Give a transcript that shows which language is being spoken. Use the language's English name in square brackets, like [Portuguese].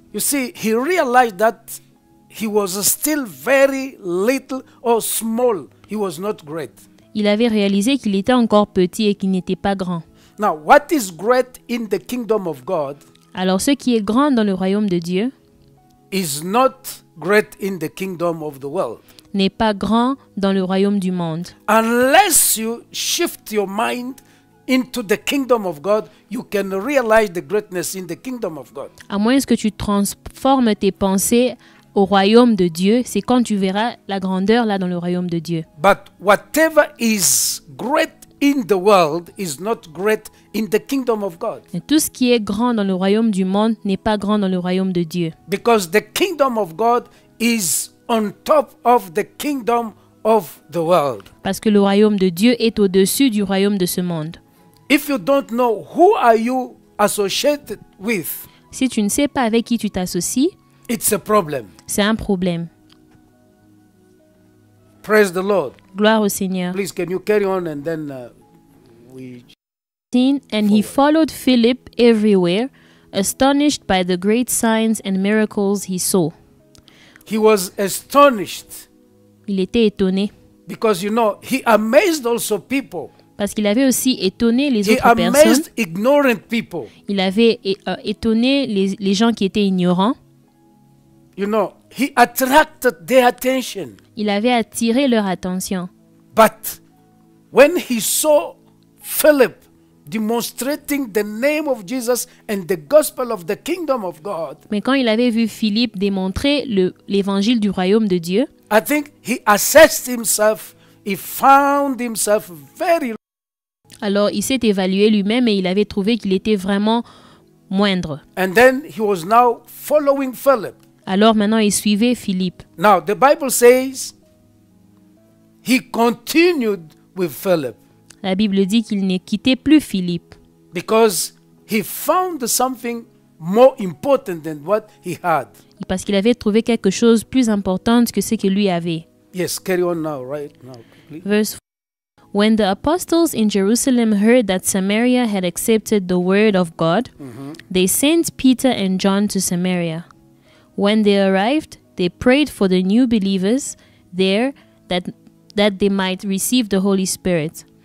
[English] You see, he realized that he was still very little or small. He was not great. [French] Il avait réalisé qu'il était encore petit et qu'il n'était pas grand. [English] Now, what is great in the kingdom of God? [French] Alors, ce qui est grand dans le royaume de Dieu [English] is not great in the kingdom of the world. [French] N'est pas grand dans le royaume du monde. [English] Unless you shift your mind into the kingdom of God, you can realize the greatness in the kingdom of God. [French] À moins que tu transformes tes pensées au royaume de Dieu, c'est quand tu verras la grandeur là dans le royaume de Dieu. [English] But whatever is great in the world is not great in the kingdom of God. [French] Et tout ce qui est grand dans le royaume du monde n'est pas grand dans le royaume de Dieu. [English] Because the kingdom of God is on top of the kingdom of the world. [French] Parce que le royaume de Dieu est au-dessus du royaume de ce monde. [English] If you don't know who are you associated with? [French] Si tu ne sais pas avec qui tu t'associes, [English] it's a problem. [French] C'est un problème. [English] Praise the Lord. [French] Gloire au Seigneur. [English] Please, can you carry on and then we... And he followed Philip everywhere, astonished by the great signs and miracles he saw. He was astonished. [French] Il était étonné. [English] Because, you know, he amazed also people. [French] Parce qu'il avait aussi étonné les [English] he [French] autres personnes. [English] He amazed ignorant people. [French] Il avait étonné les gens qui étaient ignorants. [English] You know, he attracted their attention. [French] Il avait attiré leur attention. [English] But when he saw Philip demonstrating the name of Jesus and the gospel of the kingdom of God, [French] mais quand il avait vu Philippe démontrer l'évangile du royaume de Dieu, [English] I think he assessed himself. He found himself very. [French] Alors il s'est évalué lui-même et il avait trouvé qu'il était vraiment moindre. [English] And then he was now following Philip. [French] Alors maintenant, il suivait Philippe. [English] Now, the Bible says he continued with Philip. [French] La Bible dit qu'il ne quittait plus Philippe. [English] Because he found something more important than what he had. [French] Parce qu'il avait trouvé quelque chose plus important que ce qu'il lui avait. [English] Yes, carry on now, right now, please. Verse 4. When the apostles in Jerusalem heard that Samaria had accepted the word of God, they sent Peter and John to Samaria. When they arrived, they prayed for the new believers there that they might receive the Holy Spirit.